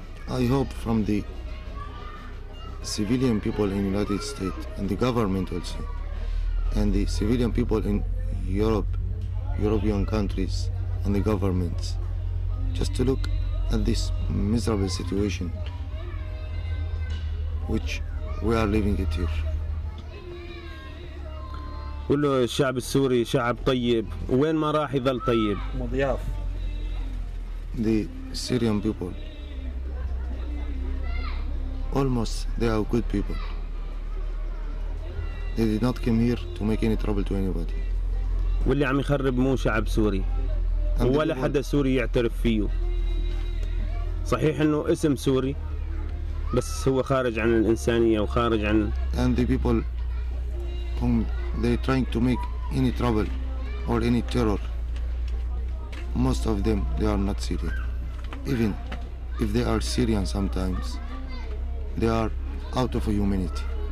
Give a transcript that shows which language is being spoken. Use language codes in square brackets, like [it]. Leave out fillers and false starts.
[en] I hope from the civilian people in the United States and the government also and the civilian people in Europe, European countries and the governments just to look at this miserable situation which we are living it here. [ar] قول له الشعب السوري شعب طيب وين ما راح يظل طيب مضياف. [en] The Syrian people, almost they are good people. They did not come here to make any trouble to anybody. [ar] واللي عم يخرب مو شعب سوري ولا حدا سوري يعترف فيه. صحيح إنه اسم سوري بس هو خارج عن الإنسانية وخارج عن. [en] And the people whom they trying to make any trouble or any terror. Most of them, they are not Syrian. Even if they are Syrian sometimes, they are out of humanity.